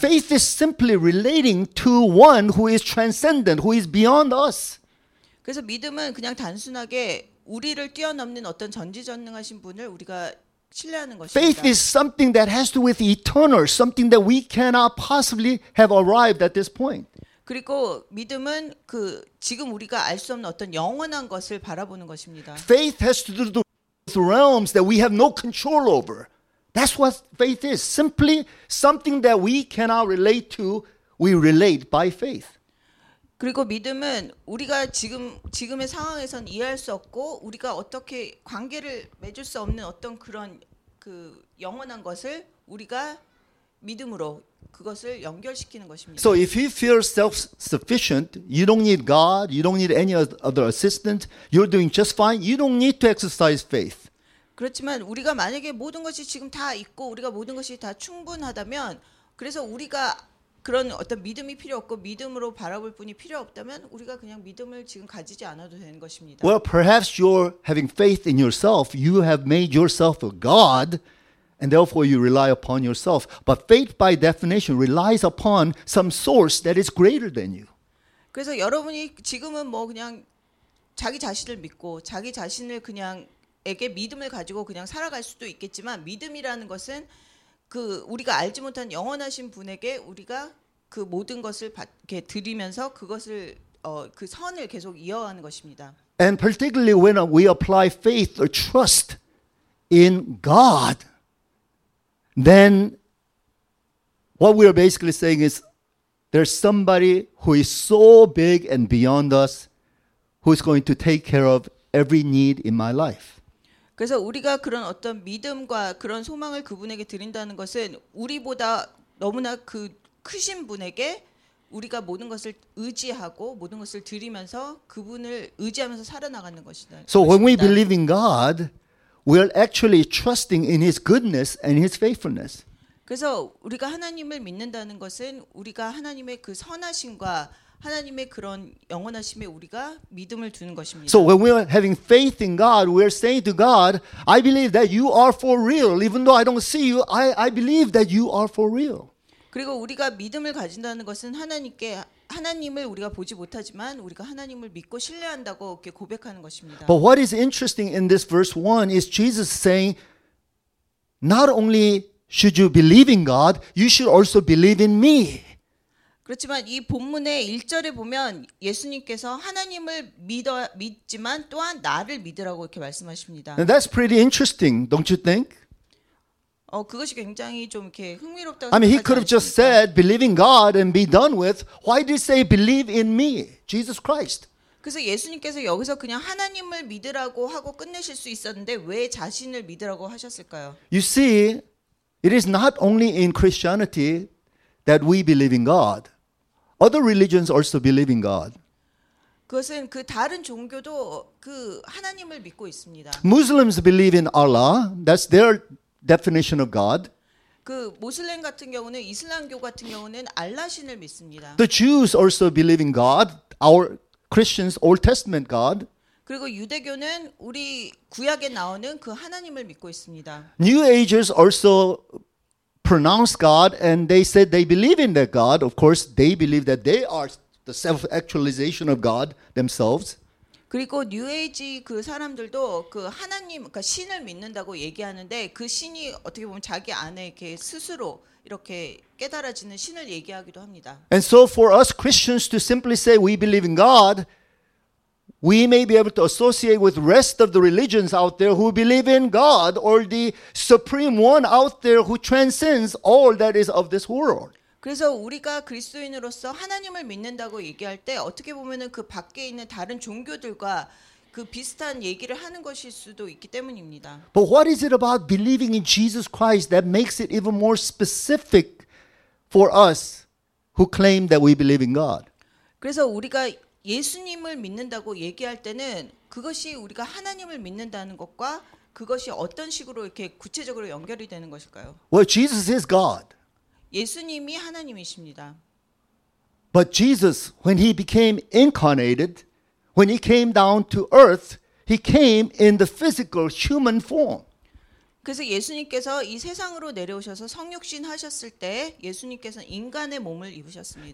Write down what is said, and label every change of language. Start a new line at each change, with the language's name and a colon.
English: Faith is simply relating to one who is transcendent, who is beyond us.
Korean: 그래서 믿음은 그냥 단순하게 우리를 뛰어넘는 어떤 전지전능하신 분을 우리가 신뢰하는 것입니다.
English: Faith is something that has to do with eternal, something that we cannot possibly have arrived at this point.
Korean: 그리고 믿음은 그 지금 우리가 알 수 없는 어떤 영원한 것을 바라보는 것입니다.
English: Faith has to do with realms that we have no control over. That's what faith is. Simply something that we cannot relate to, we relate by faith.
Korean: 그리고 믿음은 우리가 지금의 상황에선 이해할 수 없고 우리가 어떻게 관계를 맺을 수 없는 어떤 그런 그 영원한 것을 우리가 믿음으로 그것을 연결시키는 것입니다.
English: So if you feel self-sufficient, you don't need God, you don't need any other assistant, you're doing just fine, you don't need to exercise faith.
Korean: 그렇지만 우리가 만약에 모든 것이 지금 다 있고 우리가 모든 것이 다 충분하다면 그래서 우리가 그런 어떤 믿음이 필요 없고 믿음으로 바라볼 분이 필요 없다면 우리가 그냥 믿음을 지금 가지지 않아도 되는 것입니다.
English: Well, perhaps you're having faith in yourself. You have made yourself a God, and therefore you rely upon yourself. But faith, by definition, relies upon some source that is greater than you.
Korean: 그래서 여러분이 지금은 뭐 그냥 자기 자신을 믿고 자기 자신을 그냥에게 믿음을 가지고 그냥 살아갈 수도 있겠지만 믿음이라는 것은 그 우리가 알지 못한 영원하신 분에게 우리가 그 모든 것을 받게 드리면서 그것을 그 선을 계속 이어가는 것입니다.
English: And particularly when we apply faith or trust in God, then what we are basically saying is there's somebody who is so big and beyond us who is going to take care of every need in my life.
Korean: 그래서 우리가 그런 어떤 믿음과 그런 소망을 그분에게 드린다는 것은 우리보다 너무나 그 크신 분에게 우리가 모든 것을 의지하고 모든 것을 드리면서 그분을 의지하면서 살아나가는 것이다.
English: So when we believe in God, we are actually trusting in His goodness and His faithfulness.
Korean: 그래서 우리가 하나님을 믿는다는 것은 우리가 하나님의 그 선하심과 하나님의 그런 영원하심에 우리가 믿음을 두는 것입니다.
English: So when we are having faith in God, we are saying to God, I believe that you are for real. Even though I don't see you, I believe that you are for real.
Korean: 그리고 우리가 믿음을 가진다는 것은 하나님을 우리가 보지 못하지만 우리가 하나님을 믿고 신뢰한다고 이렇게 고백하는 것입니다.
English: But what is interesting in this verse 1 is Jesus saying, not only should you believe in God, you should also believe in me.
Korean: 그렇지만 이 본문의 1절에 보면 예수님께서 하나님을 믿지만 또한 나를 믿으라고 이렇게 말씀하십니다.
English: And that's pretty interesting, don't you think?
Korean: 그것이 굉장히 좀 이렇게 흥미롭다고 생각하지 않습니까?
English: I mean, he could have just said believe in God and be done with. Why did he say believe in me, Jesus Christ?
Korean: 그래서 예수님께서 여기서 그냥 하나님을 믿으라고 하고 끝내실 수 있었는데 왜 자신을 믿으라고 하셨을까요?
English: You see, it is not only in Christianity that we believe in God. Other religions also believe in God.
Korean: 그것은 그 다른 종교도 그 하나님을 믿고 있습니다.
English: Muslims believe in Allah. That's their definition of God.
Korean: 그 무슬림 같은 경우는 이슬람교 같은 경우는 알라 신을 믿습니다.
English: The Jews also believe in God. Our Christians, Old Testament God.
Korean: 그리고 유대교는 우리 구약에 나오는 그 하나님을 믿고 있습니다.
English: New Agers also pronounce God, and they said they believe in that God. Of course, they believe that they are the self-actualization of God themselves.
Korean: 그리고 New Age 그 사람들도 그 하나님, 그러니까 신을 믿는다고 얘기하는데 그 신이 어떻게 보면 자기 안에 이렇게 스스로 이렇게 깨달아지는 신을 얘기하기도 합니다.
English: And so, for us Christians to simply say we believe in God, we may be able to associate with rest of the religions out there who believe in God or the supreme one out there who transcends all that is of this world.
Korean: 그래서 우리가 그리스도인으로서 하나님을 믿는다고 얘기할 때 어떻게 보면은 그 밖에 있는 다른 종교들과 그 비슷한 얘기를 하는 것일 수도 있기 때문입니다.
English: But what is it about believing in Jesus Christ that makes it even more specific for us who claim that we believe in God?
Korean: 그래서 우리가 예수님을 믿는다고 얘기할 때는 그것이 우리가 하나님을 믿는다는 것과 그것이 어떤 식으로 이렇게 구체적으로 연결이 되는 것일까요?
English: Well, Jesus is God.
Korean: 예수님이 하나님이십니다.
English: But Jesus, when he became incarnated, when he came down to earth, he came in the physical human form.
Korean: 그래서 예수님께서 이 세상으로 내려오셔서 성육신 하셨을 때 예수님께서 인간의 몸을 입으셨습니다.